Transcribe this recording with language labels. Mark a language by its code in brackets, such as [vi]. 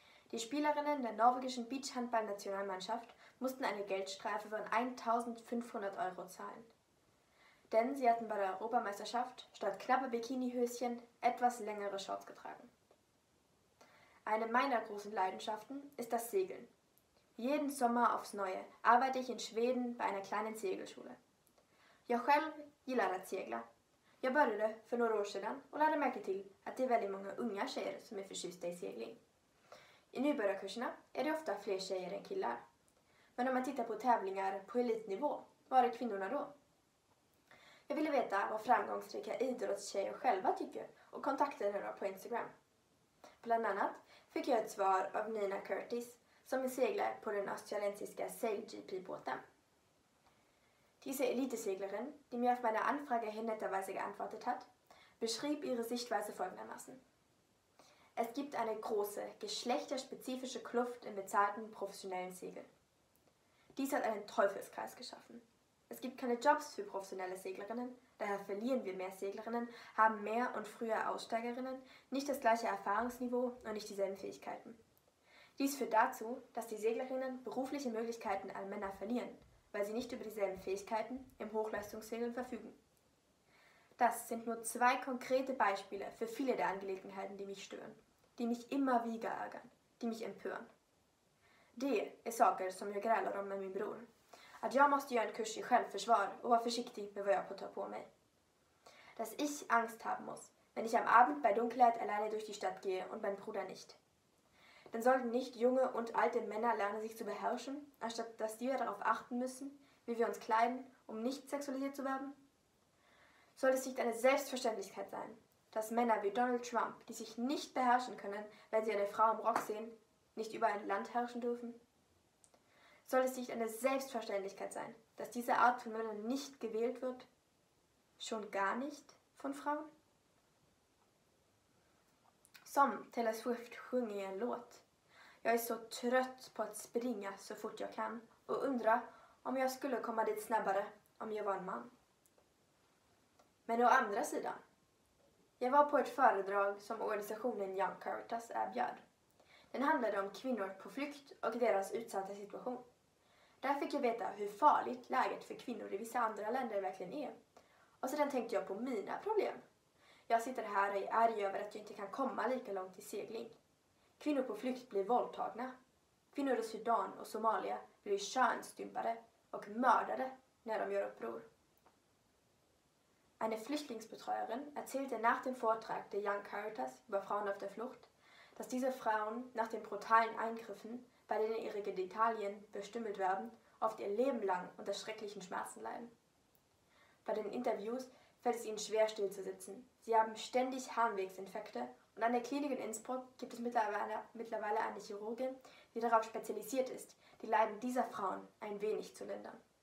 [de] Die Spielerinnen der norwegischen Beachhandball-Nationalmannschaft mussten eine Geldstrafe von 1.500 Euro zahlen. Denn sie hatten bei der Europameisterschaft statt knappe Bikinihöschen etwas längere Shorts getragen. Eine meiner großen Leidenschaften ist das Segeln. Jeden Sommer aufs Neue arbeite ich in Schweden bei einer kleinen Segelschule. [sv] Jag själv gillar att segla. Jag började för några år sedan och lärde märke till att det är väldigt många unga tjejer som är förtjusta i segling. I nybörjarkurserna är det ofta fler tjejer än killar. Men om man tittar på tävlingar på elitnivå, var är kvinnorna då? Jag ville veta vad framgångsrika idrottstjejer själva tycker och kontaktade henne på Instagram. Bland annat fick jag ett svar av Nina Curtis som är seglare på den australiensiska SailGP-båten. [de] Diese Eliteseglerin, die mir auf meine Anfrage hin netterweise geantwortet hat, beschrieb ihre Sichtweise folgendermaßen. Es gibt eine große, geschlechterspezifische Kluft im bezahlten professionellen Segeln. Dies hat einen Teufelskreis geschaffen. Es gibt keine Jobs für professionelle Seglerinnen, daher verlieren wir mehr Seglerinnen, haben mehr und früher Aussteigerinnen, nicht das gleiche Erfahrungsniveau und nicht dieselben Fähigkeiten. Dies führt dazu, dass die Seglerinnen berufliche Möglichkeiten an Männer verlieren, weil sie nicht über dieselben Fähigkeiten im Hochleistungssegeln verfügen. Das sind nur zwei konkrete Beispiele für viele der Angelegenheiten, die mich stören, die mich immer wieder ärgern, die mich empören. [sv] Det är saker som jag grälar om med min bror. Att jag måste göra en kurs i självförsvar och vara försiktig med vad jag får ta på mig. [de] Dass ich Angst haben muss, wenn ich am Abend bei Dunkelheit alleine durch die Stadt gehe und mein Bruder nicht. Dann sollten nicht junge und alte Männer lernen, sich zu beherrschen, anstatt dass die darauf achten müssen, wie wir uns kleiden, um nicht sexualisiert zu werden? Soll es nicht eine Selbstverständlichkeit sein, dass Männer wie Donald Trump, die sich nicht beherrschen können, wenn sie eine Frau im Rock sehen, nicht über ein Land herrschen dürfen? Soll es nicht eine Selbstverständlichkeit sein, dass diese Art von Männern nicht gewählt wird? Schon gar nicht von Frauen? [sv] Som Taylor Swift sjunger i en låt. Jag är så trött på att springa så fort jag kan och undra om jag skulle komma dit snabbare om jag var en man. Men å andra sidan, jag var på ett föredrag som organisationen Young Caritas erbjöd. Den handlade om kvinnor på flykt och deras utsatta situation. Där fick jag veta hur farligt läget för kvinnor i vissa andra länder verkligen är. Och sedan tänkte jag på mina problem. Jag sitter här och är arg över att jag inte kan komma lika långt i segling. Kvinnor på flykt blir våldtagna. Kvinnor i Sudan och Somalia blir könsstympade och mördade när de gör uppror. [de] Eine Flüchtlingsbetreuerin erzählte nach dem Vortrag der Young Caritas über Frauen auf der Flucht, dass diese Frauen nach den brutalen Eingriffen, bei denen ihre Genitalien verstümmelt werden, oft ihr Leben lang unter schrecklichen Schmerzen leiden. Bei den Interviews fällt es ihnen schwer, still zu sitzen. Sie haben ständig Harnwegsinfekte und an der Klinik in Innsbruck gibt es mittlerweile eine Chirurgin, die darauf spezialisiert ist, die Leiden dieser Frauen ein wenig zu lindern.